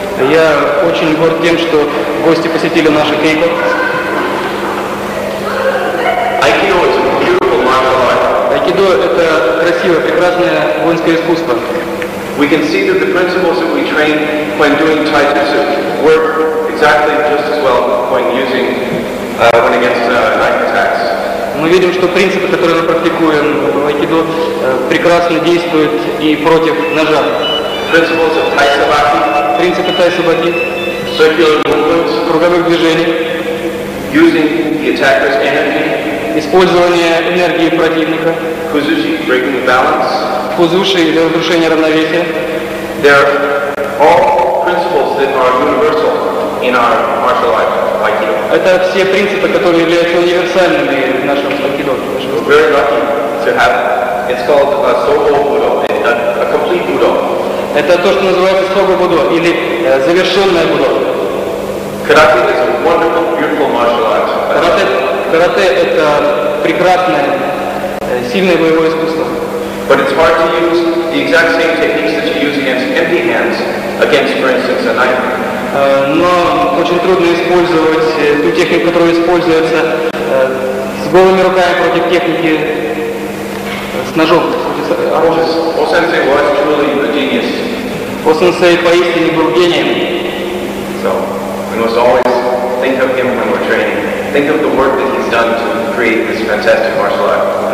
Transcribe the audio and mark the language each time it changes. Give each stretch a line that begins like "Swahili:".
Russian: Я очень горд тем, что гости посетили наши Кейко. Айкидо — это
English: beautiful martial art.
Russian: Айкидо — это красивое, прекрасное воинское искусство.
English: We can see that the principles that we train when doing Taijutsu work exactly just as well when using when against knife attacks.
Russian: Мы видим, что принципы, которые мы практикуем в айкидо, прекрасно действуют и против ножа.
English: Principles of Taisabaki.
Russian: Принципы Тайсабаки.
English: Circular movements.
Russian: Круговых движений.
English: Using the attacker's energy.
Russian: Использование энергии противника.
English: Kuzushi, breaking the balance.
Russian: Кузуши для разрушения равновесия.
English: There are all principles that are universal in our martial art, aikido.
Russian: Это все принципы, которые являются универсальными в нашем айкидо.
English: We're very lucky to have. It's called a Sogo Budo, a complete Budo.
Russian: Это то, что называется Sogo Budo или завершенное Budo.
English: Karate is a wonderful, beautiful martial art.
Russian: Карате — это прекрасное, сильное боевое искусство.
English: But it's hard to use the exact same techniques that you use against empty hands against, for instance, a knife.
Russian: Но очень трудно использовать ту технику, которая используется с голыми руками против техники с ножом, с оружием.
English: O-sensei was truly a genius.
Russian: O-sensei поистине был гением.
English: So we must always think of him when we're training. Think of the work that he's done to create this fantastic martial art.